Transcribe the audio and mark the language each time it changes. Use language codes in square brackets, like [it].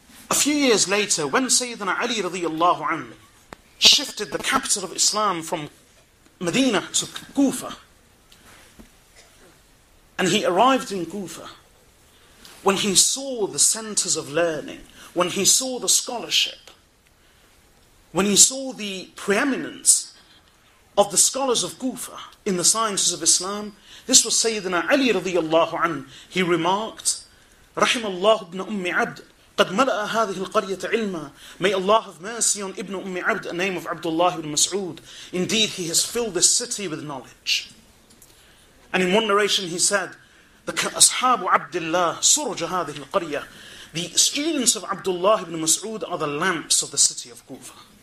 [en] A few years later, when Sayyidina Ali radiyallahu anhu shifted the capital of Islam from Medina to Kufa, and he arrived in Kufa, when he saw the centers of learning, when he saw the scholarship, when he saw the preeminence of the scholars of Kufa in the sciences of Islam, this was Sayyidina Ali radiyallahu anhu. [ar] He remarked, رحم الله ابن أمي عبد قد ملأ هذه القرية علما. [en] May Allah have mercy on Ibn Ummi Abd, a name of Abdullah ibn Mas'ud. Indeed, he has filled this city with knowledge. And in one narration he said, the [ar] Ashabu Abdullah Suraja هذه القرية, [en] the students of Abdullah ibn Mas'ud are the lamps of the city of Kufa.